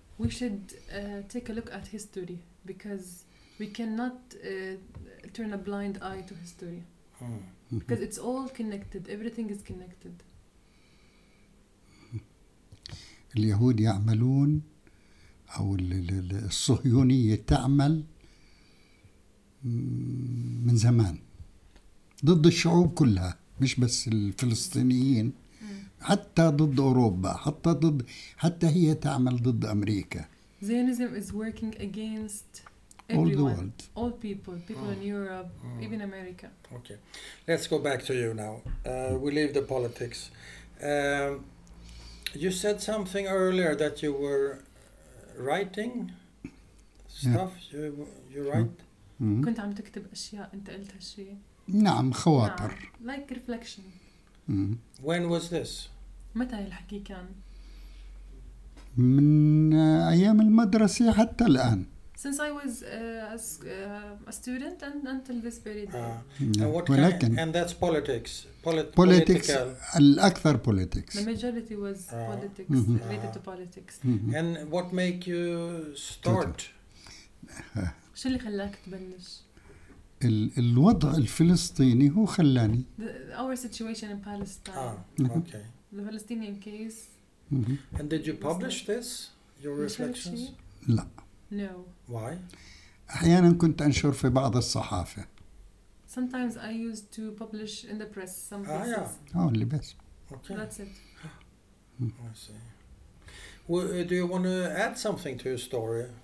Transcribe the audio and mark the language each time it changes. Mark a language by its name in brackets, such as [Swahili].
[English] We should take a look at history because we cannot turn a blind eye to history because it's all connected. Everything is connected. [Arabic] اليهود يعملون أو الصهيونية تعمل من زمان. ضد الشعوب كلها مش بس الفلسطينيين حتى ضد أوروبا حتى هي تعمل ضد أمريكا. [English] Zionism is working against everyone, all the world, all people in Europe, even America. Okay, let's go back to you now. We leave the politics. You said something earlier that you were writing stuff. Yeah. You write. [Arabic] كنت عم تكتب أشياء. أنت قلت هالشيء. نعم خواطر. [English] Yeah, like reflection. When was this? [Arabic] متى الحكي كان؟ من أيام المدرسة حتى الآن. [English] Since I was a student and until this very day. And that's politics. Political. [Arabic] الأكثر politics. [English] The majority was politics, related to politics. Mm-hmm. And what make you start? [Arabic] شو اللي خلاك تبلش؟ الوضع الفلسطيني هو خلاني. [English] Our situation in Palestine. Okay. The Palestinian case. Mm-hmm. And did you publish this, your reflections? [Arabic] لا. [English] No. Why? [Arabic] أحيانا كنت أنشر في بعض الصحافة. [English] Sometimes I used to publish in the press some pieces. Only [Arabic] بس. [English] Okay. That's it. I see. Well, do you want to add something to your story?